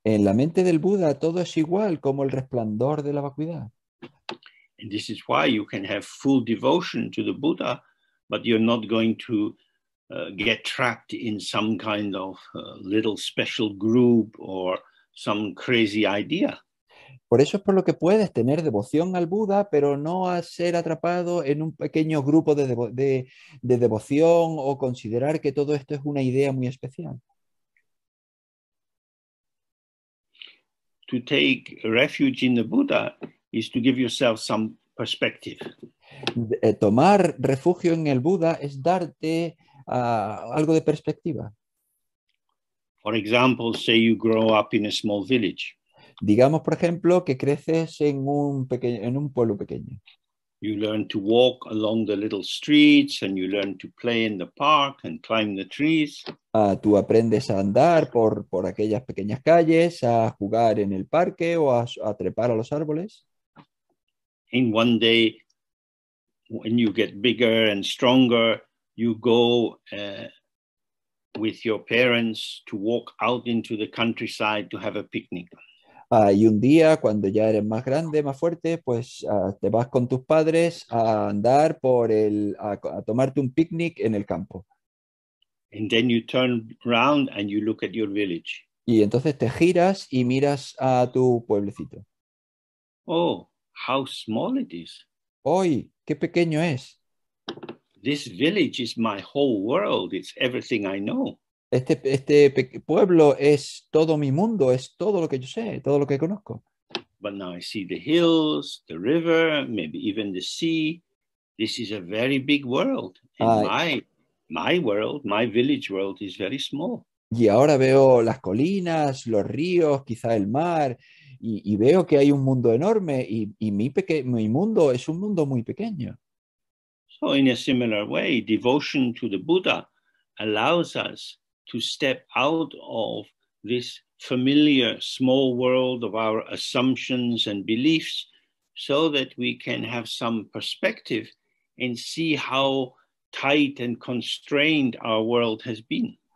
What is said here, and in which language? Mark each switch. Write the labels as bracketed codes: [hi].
[es] En la mente del Buda todo es igual como el resplandor de la vacuidad. [en] And this is why you can have full devotion to the Buddha, but you're not going to get trapped in some kind of little special group or some crazy idea. [es] Por eso es por lo que puedes tener devoción al Buda, pero no a ser atrapado en un pequeño grupo de devoción o considerar que todo esto es una idea muy especial. [en] To take refuge in the Buddha is to give yourself some perspective. [es] Tomar refugio en el Buda es darte algo de perspectiva. [en] For example, say you grow up in a small village. [es] Digamos, por ejemplo, que creces en un pueblo pequeño. [en] You learn to walk along the little streets and you learn to play in the park and climb the trees. [es] Tú aprendes a andar por aquellas pequeñas calles, a jugar en el parque o a trepar a los árboles. [en] In one day, when you get bigger and stronger, you go with your parents to walk out into the countryside to have a picnic. [es] Y un día, cuando ya eres más grande, más fuerte, pues te vas con tus padres a andar a tomarte un picnic en el campo. [en] And then you turn around and you look at your village. [es] Y entonces te giras y miras a tu pueblecito. [en] Oh. How small it is. [es] ¡Uy! ¡Qué pequeño es! [en] This village is my whole world. It's everything I know. [es] Este pueblo es todo mi mundo, es todo lo que yo sé, todo lo que conozco. [en] But now I see the hills, the river, maybe even the sea. This is a very big world. And my world, my village world is very small. [es] Y ahora veo las colinas, los ríos, quizá el mar, y veo que hay un mundo enorme, y mi mundo es un mundo muy pequeño. [en] So in a similar way, devotion to the Buddha allows us to step out of this familiar small world of our assumptions and beliefs so that we can have some perspective and see how tight and constrained our world has been.